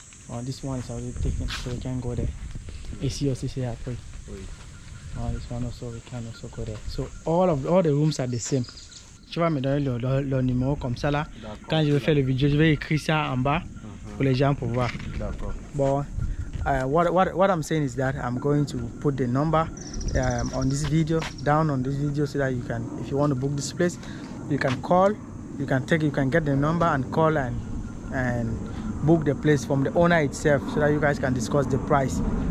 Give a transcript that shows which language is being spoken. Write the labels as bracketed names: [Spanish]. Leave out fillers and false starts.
[English] Oh, this one is already taken, so we can go there. [French] Oui. Ici aussi, c'est pris. Oui. [English] Oh, this one also, we can also go there. So, all the rooms are the same. [French] Tu vas me donner le numéro comme ça là. D'accord. Quand je vais faire le vidéo, je vais écrire ça en bas pour les gens pour voir. D'accord. Bon. [English] What I'm saying is that I'm going to put the number down on this video so that you can, if you want to book this place, you can call, you can get the number and call and book the place from the owner itself so that you guys can discuss the price.